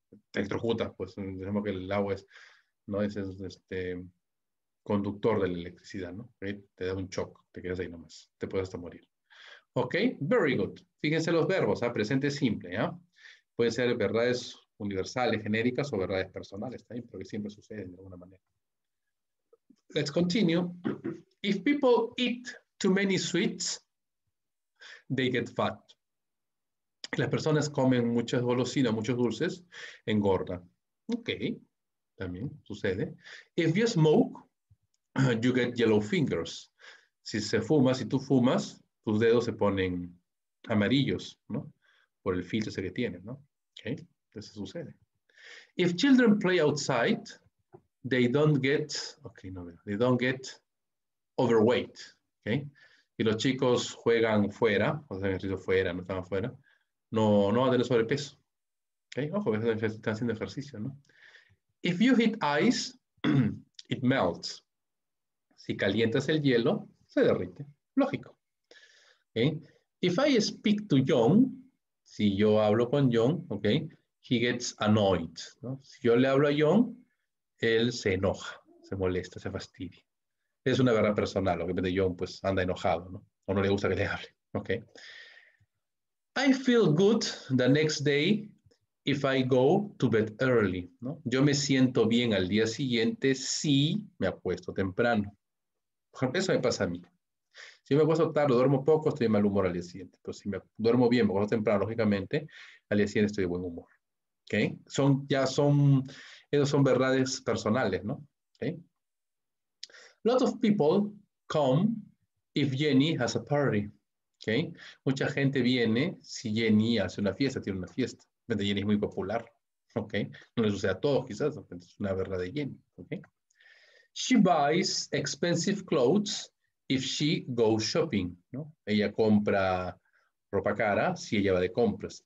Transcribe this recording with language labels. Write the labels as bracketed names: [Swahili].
[Spanish] Te electrocutas, pues, digamos que el agua es, ¿no? Es conductor de la electricidad, ¿no? ¿Eh? Te da un shock, te quedas ahí nomás, te puedes hasta morir. [English] Ok, very good. [Spanish] Fíjense los verbos, ¿eh? Presente simple, ¿ya? Pueden ser verdades universales, genéricas o verdades personales también, pero que siempre suceden de alguna manera. [English] Let's continue. If people eat too many sweets, they get fat. [Spanish] Las personas comen muchas golosinas, muchos dulces, engordan. [English] Ok, [Spanish] también sucede. [English] If you smoke, you get yellow fingers. [Spanish] Si se fuma, si tú fumas, tus dedos se ponen amarillos, ¿no? Por el filtro ese que tienen, ¿no? Ok, eso sucede. [English] If children play outside, they don't get, okay, no, they don't get overweight, okay? [Spanish] Y los chicos juegan fuera, o sea, ejercicio fuera, no están afuera, no van a tener sobrepeso, okay? Ojo, están haciendo ejercicio, ¿no? [English] If you hit ice, it melts. [Spanish] Si calientas el hielo, se derrite, lógico. Okay? [English] If I speak to John, [Spanish] si yo hablo con John, [English] okay, he gets annoyed, ¿no? [Spanish] Si yo le hablo a John, él se enoja, se molesta, se fastidia. Es una verdad personal, obviamente John pues anda enojado, ¿no? O no le gusta que le hable, okay. [English] I feel good the next day if I go to bed early, [Spanish] ¿no? Yo me siento bien al día siguiente si me acuesto temprano. Eso me pasa a mí. Si me acuesto tarde, duermo poco, estoy de mal humor al día siguiente. Pero si me duermo bien, me acuesto temprano, lógicamente, al día siguiente estoy de buen humor. ¿Okay? Son, ya son, esos son verdades personales, ¿no? ¿Okay? [English] Lots of people come if Jenny has a party. ¿Okay? [Spanish] Mucha gente viene si Jenny hace una fiesta, tiene una fiesta. Jenny es muy popular. ¿Okay? No le sucede a todos, quizás, es una verdad de Jenny. ¿Okay? [English] She buys expensive clothes if she goes shopping, [Spanish] ¿no? Ella compra ropa cara si ella va de compras.